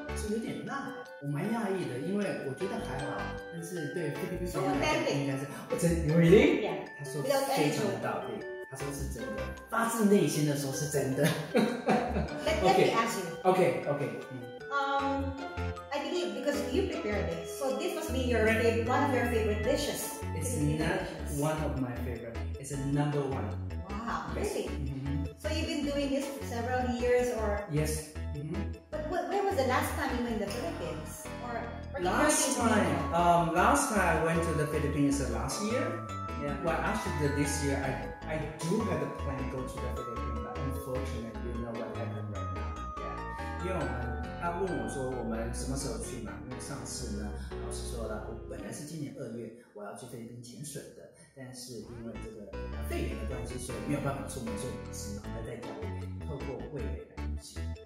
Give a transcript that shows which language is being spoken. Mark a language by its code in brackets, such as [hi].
[zh] 有点辣，我蛮讶异的，因为我觉得还好，但是对菲律宾人来讲应该是，我真的 [en] really？ Yeah, [zh] 他说非常的道理，他说是真的，发自内心的说是真的。 [en] Let me ask you. Okay. I believe because you prepared this, so this must be your favorite, one of your favorite dishes. It's not one of my favorite. It's a number one. Wow, really?、Mm-hmm. So you've been doing this for several years, or yes?、 But when was the last time you went to the Philippines? Last time I went to the Philippines last year. Yeah. Well, actually this year I do have a plan to go to the Philippines, but unfortunately, you know what happened right now. Yeah. Because he asked me, "We, [zh] 我们什么时候去嘛？" 因为上次呢，老师说了，我本来是今年二月我要去菲律宾潜水的，但是因为这个肺炎的关系，所以没有办法出门，所以只能待在家里，透过胃来呼吸。